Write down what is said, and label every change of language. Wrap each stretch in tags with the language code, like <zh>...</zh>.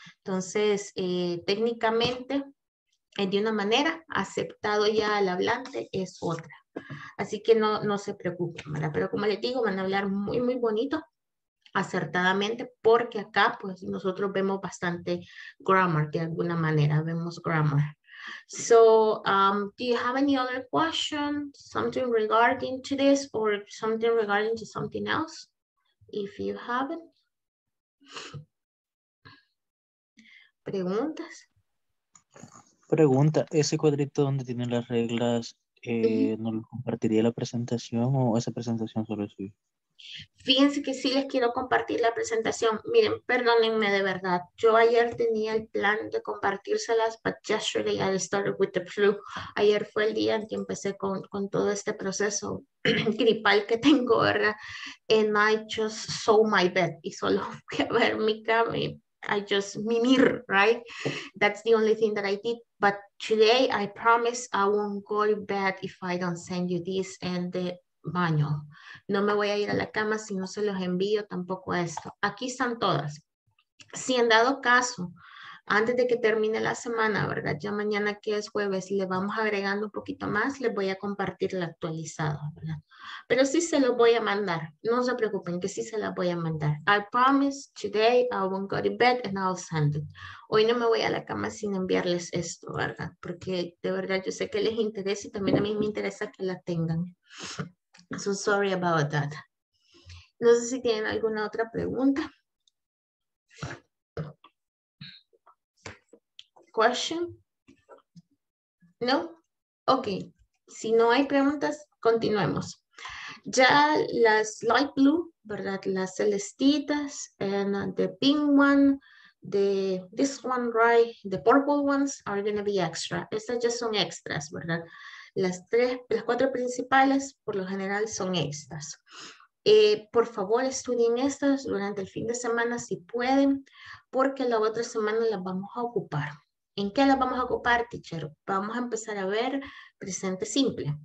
<es>Entonces, técnicamente, de una manera, aceptado ya al hablante es otra. Así que no se preocupen, ¿verdad? Pero como les digo, van a hablar muy, muy bonito, acertadamente, porque acá pues nosotros vemos bastante grammar, de alguna manera vemos grammar.</es> <en>So, do you have any other questions, something regarding to this or something regarding to something else? If you haven't.</en> <es>¿Preguntas? Pregunta, ese cuadrito donde tiene las reglas, ¿no lo compartiría la presentación o esa presentación solo es suya? Fíjense que sí les quiero compartir la presentación. Miren, perdónenme de verdad. Yo ayer tenía el plan de compartírselas,</es> <en>but yesterday I started with the flu.</en> <es>Ayer fue el día en que empecé con todo este proceso gripal que tengo, ¿verdad?</es> <en>And I just saw my bed.</en> <es>Y solo fui a ver mi cama.</es> <en>I just mimir, right? That's the only thing that I did. But today I promise I won't go to bed if I don't send you this and the baño.</en> <es>No me voy a ir a la cama si no se los envío tampoco esto. Aquí están todas. Si en dado caso, antes de que termine la semana, ¿verdad? Ya mañana que es jueves, le vamos agregando un poquito más, les voy a compartir la actualizada, ¿verdad? Pero sí se los voy a mandar. No se preocupen que sí se las voy a mandar.</es> <en>I promise today I won't go to bed and I'll send it.</en> <es>Hoy no me voy a la cama sin enviarles esto, ¿verdad? Porque de verdad yo sé que les interesa y también a mí me interesa que la tengan.</es> <en>So sorry about that.</en> <es>No sé si tienen alguna otra pregunta.</es> <en>Question? No? Okay.</en> <es>Si no hay preguntas, continuemos. Ya las light blue, ¿verdad? Las celestitas,</es> <en>and the pink one, this one, right? The purple ones are going to be extra.</en> <es>Estas ya son extras, ¿verdad? Las cuatro principales, por lo general, son estas. Por favor, estudien estas durante el fin de semana si pueden, porque la otra semana las vamos a ocupar. ¿En qué las vamos a ocupar, teacher? Vamos a empezar a ver presente simple.</es>